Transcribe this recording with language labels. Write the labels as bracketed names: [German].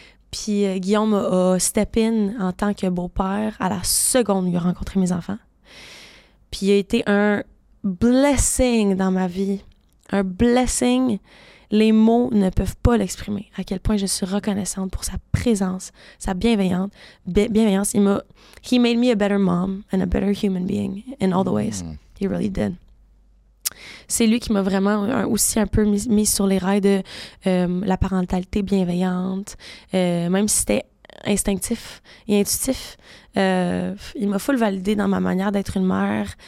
[French] Puis Guillaume a [English] step in [French] en tant que beau-père à la seconde où il a rencontré mes enfants. Puis il a été un [English] blessing [French] dans ma vie. Un [English] blessing. [French] Les mots ne peuvent pas l'exprimer. À quel point je suis reconnaissante pour sa présence, sa bienveillance. Bienveillance. [English] He made me a better mom and a better human being in all the ways. He really did. [French] C'est lui qui m'a vraiment aussi un peu mis sur les rails de la parentalité bienveillante. Même si c'était instinctif et intuitif, il m'a full validé dans ma manière d'être une mère.